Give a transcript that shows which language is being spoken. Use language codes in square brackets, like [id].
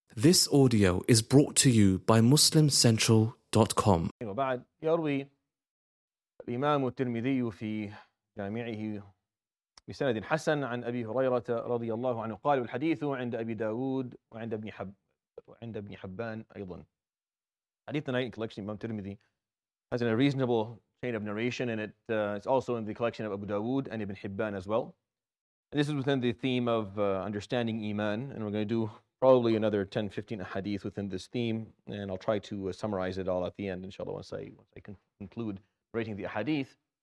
[en] This audio is brought to you by MuslimCentral.com. [ar] وبعد يروي الإمام الترمذي في جامعه بسند حسن عن أبي هريرة رضي الله عنه قال الحديث عند أبي داود وعند ابن حبان أيضا. [en] حديث tonight in collection of Imam Tirmidhi has a reasonable chain of narration, and it's also in the collection of Abu Dawood and Ibn Hibban as well. And this is within the theme of understanding Iman, and we're going to do probably another 10-15 hadith within this theme, and I'll try to summarize it all at the end, inshallah, once I conclude writing the hadith.